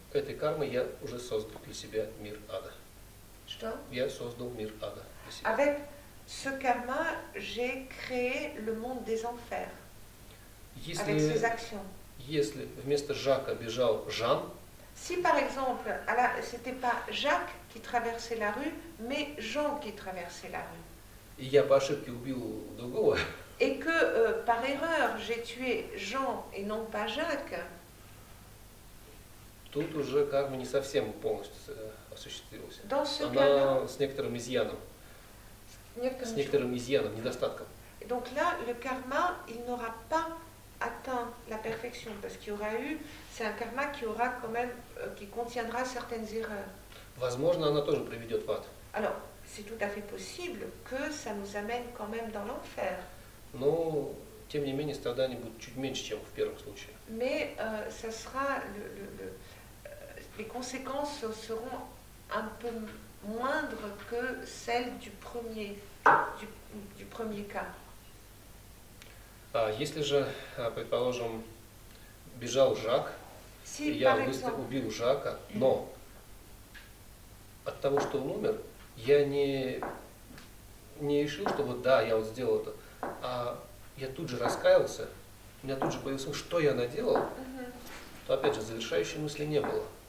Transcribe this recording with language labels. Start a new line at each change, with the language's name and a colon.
Russian: Этой кармой я уже создал для себя мир ада. Что? Я создал мир ада.
French: Avec ce karma, j'ai créé le monde des enfers.
Russian: Если,
French: avec ces actions.
Russian: Если вместо Жака бежал Жан.
French: Si par exemple, alors c'était pas Jacques qui traversait la rue, mais Jean qui traversait la rue.
Russian: Et я по ошибке убил другого.
French: Et que par erreur j'ai tué Jean et non pas Jacques.
Russian: Тут уже как бы не совсем полностью осуществилось.
French: Dans ce
Russian: Она с некоторым изъяном. Некоторым с некоторым изъяном, недостатком.
French: Et donc là, le karma, il n'aura pas atteint la perfection parce qu'il y aura eu, c'est un karma qui aura quand même, qui contiendra certaines erreurs.
Russian: Возможно, она тоже приведет в ад.
French: Alors, c'est tout à fait possible que ça nous amène quand même dans l'enfer.
Russian: Ну, тем не менее страдания будут чуть меньше, чем в первом случае.
French: Mais ça sera les conséquences seront un peu moindres que celles du premier cas.
Russian: Если же, предположим, бежал Жак,
French: si,
Russian: я убил Жака, но от того, что он умер, я не решил, что вот да, я вот сделал это, а я тут же раскаялся, у меня тут же появился, что я наделал, то опять же завершающей мысли не было.